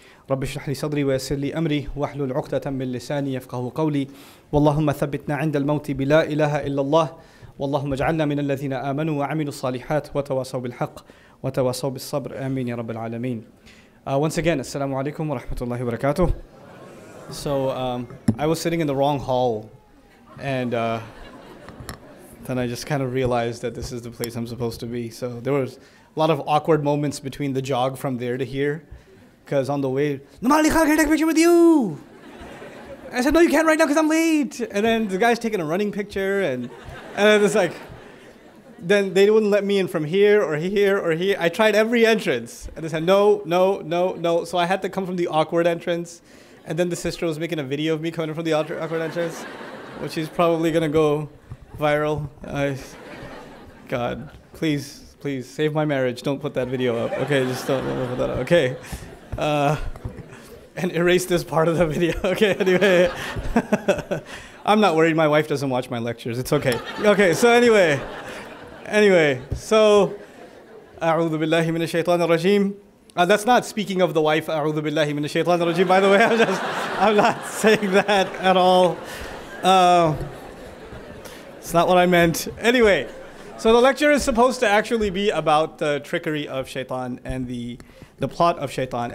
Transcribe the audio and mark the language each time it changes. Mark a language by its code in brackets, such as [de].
[ar] رب اشرح لي صدري ويسر لي أمري واحلل عقدة من لساني يفقه قولي. واللهم ثبتنا عند الموت بلا إله إلا الله. واللهم اجعلنا من الذين آمنوا وعملوا الصالحات وتواصوا بالحق وتواصوا بالصبر. آمين يا رب العالمين. [en] Once again, [ar] السلام عليكم ورحمة الله وبركاته. [en] So I was sitting in the wrong hall, and then I just kind of realized that this is the place I'm supposed to be. So there was a lot of awkward moments between the jog from there to here, because on the way, Nouman Ali Khan, can I take a picture with you? I said, no, you can't right now because I'm late. And then the guy's taking a running picture, and it's like, then they wouldn't let me in from here or here or here. I tried every entrance, and they said, no. So I had to come from the awkward entrance. And then the sister was making a video of me coming from the awkward entrance, which is probably going to go viral. God, please save my marriage. Don't put that video up. Okay, just don't put that up. Okay. And erase this part of the video. Okay, anyway. I'm not worried. My wife doesn't watch my lectures. It's okay. Okay, so anyway, so [ar] أعوذ بالله من الشيطان الرجيم. [en] That's not speaking of the wife, [ar] أعوذ بالله من الشيطان الرجيم, [en] by the way. I'm not saying that at all. It's not what I meant. Anyway, so the lecture is supposed to actually be about the trickery of shaitan and the plot of shaitan.